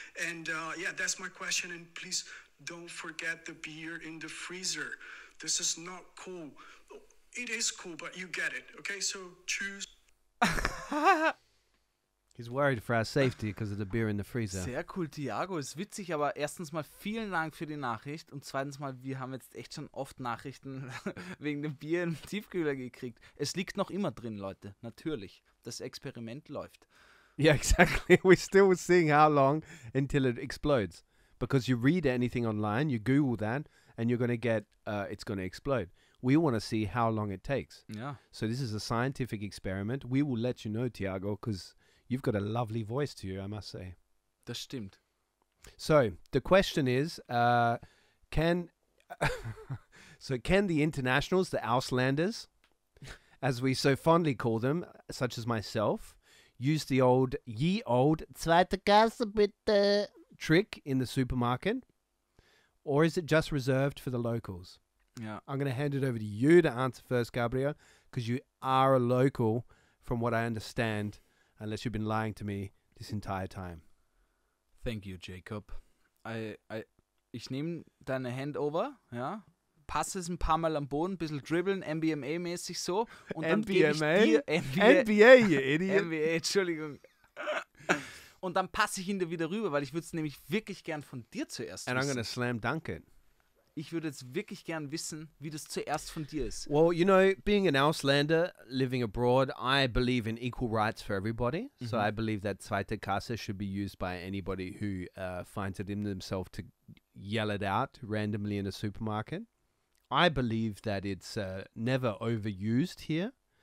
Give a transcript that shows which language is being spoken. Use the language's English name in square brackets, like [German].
[English] And yeah, that's my question. And please don't forget the beer in the freezer. This is not cool. It is cool, but you get it. Okay, so choose. He's worried for our safety because of the beer in the freezer. [German] Sehr cool, Thiago. Ist witzig, aber erstens mal vielen Dank für die Nachricht und zweitens mal, wir haben jetzt echt schon oft Nachrichten wegen dem Bier im Tiefkühler gekriegt. Es liegt noch immer drin, Leute. Natürlich. Das Experiment läuft. [English] Yeah, exactly. We're still seeing how long until it explodes. Because you read anything online, you Google that and you're going to get, it's going to explode. We want to see how long it takes. Yeah. So this is a scientific experiment. We will let you know, Thiago, because... You've got a lovely voice to you, I must say. [German] Das stimmt. [English] So, the question is, can so can the internationals, the Auslanders, as we so fondly call them, such as myself, use the old, ye old, [German] zweite Kasse bitte [English] trick in the supermarket? Or is it just reserved for the locals? Yeah. I'm going to hand it over to you to answer first, Gabriel, because you are a local, from what I understand, unless you've been lying to me this entire time. Thank you, Jacob. [German] Ich nehme deine Handover, ja, passe es ein paar Mal am Boden, ein bisschen dribbeln, NBA-mäßig so. Und dann [English] NBA? [German] Gebe ich dir, [English] NBA, you idiot. [German] NBA, Entschuldigung. Und dann passe ich ihn dir wieder rüber, weil ich würde es nämlich wirklich gern von dir zuerst [English] wissen. And I'm gonna slam dunk it. [German] Ich würde jetzt wirklich gern wissen, wie das zuerst von dir ist. [English] Well, you know, being an Auslander, living abroad, I believe in equal rights for everybody. Mm-hmm. So I believe that zweite Kasse should be used by anybody who finds it in themselves to yell it out randomly in a supermarket. I believe that it's never overused here.